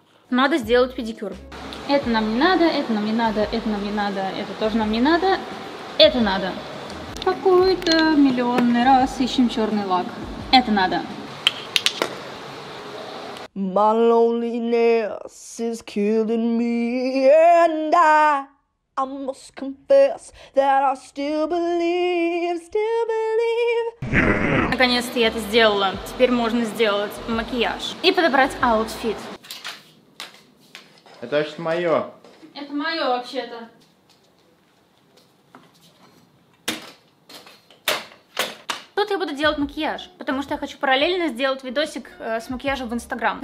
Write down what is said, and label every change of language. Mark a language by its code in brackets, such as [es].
[ru] Надо сделать педикюр. Это нам не надо, это нам не надо, это нам не надо, это тоже нам не надо, это надо. Какой-то миллионный раз ищем черный лак. Это надо. [en] My loneliness is killing me, and I must confess that I still believe, still believe. [ru] Наконец-то я это сделала. Теперь можно сделать макияж и подобрать аутфит. Это вообще мое. Это мое вообще-то. Тут я буду делать макияж, потому что я хочу параллельно сделать видосик с макияжем в Инстаграм.